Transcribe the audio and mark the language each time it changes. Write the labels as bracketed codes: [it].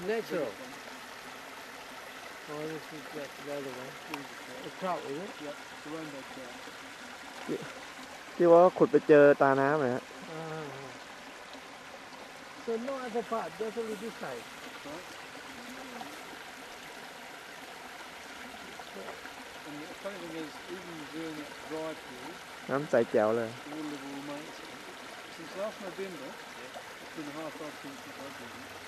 [en] natural oh this is just the other one the trout is it yep the rainbow trout [th] ที่ว่าขุดไปเจอตาน้ำเหรอฮะ [en] so no other part just only this side And the funny thing is, even during that drive period, I'm so jealous. Wonderful, mate. Since last November, it's been a half hour since the drive period.